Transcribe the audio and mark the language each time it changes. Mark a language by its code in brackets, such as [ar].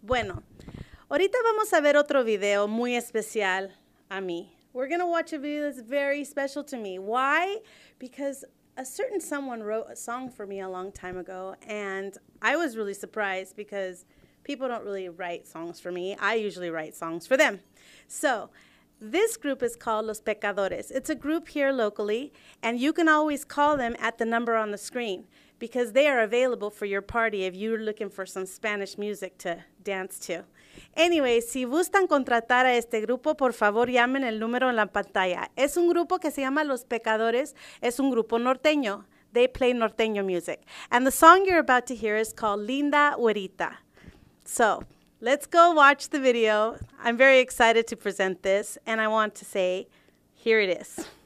[es] Bueno, ahorita vamos a ver otro video muy especial a mí. [en] We're going to watch a video that's very special to me. Why? Because a certain someone wrote a song for me a long time ago, and I was really surprised because people don't really write songs for me. I usually write songs for them. So this group is called Los Pecadores. It's a group here locally, and you can always call them at the number on the screen, because they are available for your party if you're looking for some Spanish music to dance to. [es] Anyway, si gustan contratar a este grupo, por favor, llamen el número en la pantalla. Es un grupo que se llama Los Pecadores. Es un grupo norteño. [en] They play norteño music. And the song you're about to hear is called Linda Güerita. So, let's go watch the video. I'm very excited to present this, and I want to say, here it is.